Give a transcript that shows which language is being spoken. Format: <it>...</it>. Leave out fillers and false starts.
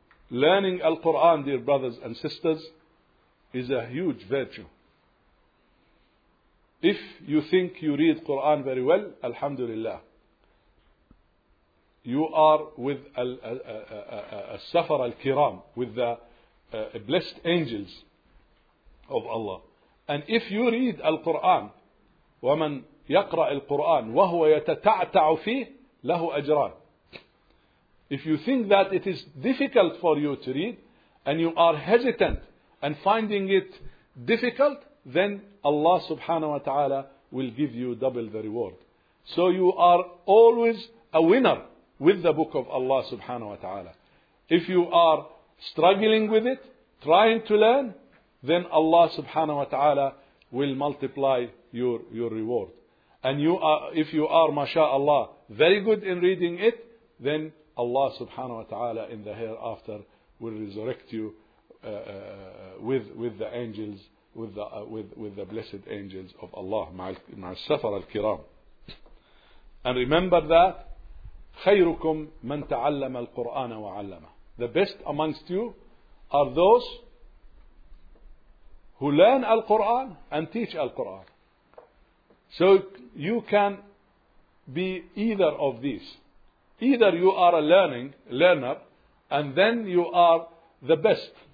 <en>Learning Al-Quran, dear brothers and sisters, is a huge virtue. If you think you read Quran very well, alhamdulillah, you are with al-safar al-kiram, with the blessed angels of Allah. And if you read Al-Quran,</en> <ar>وَمَنْ يَقْرَأِ الْقُرْآنِ وَهُوَ يَتَتَعْتَعُ فِيهِ لَهُ أَجْرًا.</ar> <en>If you think that it is difficult for you to read, and you are hesitant and finding it difficult, then Allah subhanahu wa ta'ala will give you double the reward. So you are always a winner with the book of Allah subhanahu wa ta'ala. If you are struggling with it, trying to learn, then Allah subhanahu wa ta'ala will multiply your reward. And you are, if you are, mashallah, very good in reading it, then Allah subhanahu wa ta'ala in the hereafter will resurrect you with the angels, with the blessed angels of Allah, ma'a al-safar al-kiram. And remember that,</en> <ar>خَيْرُكُمْ مَنْ تَعَلَّمَ الْقُرْآنَ وَعَلَّمَهُ.</ar> <en>The best amongst you are those who learn Al-Quran and teach Al-Quran. So you can be either of these. Either you are a learner, and then you are the best.</en>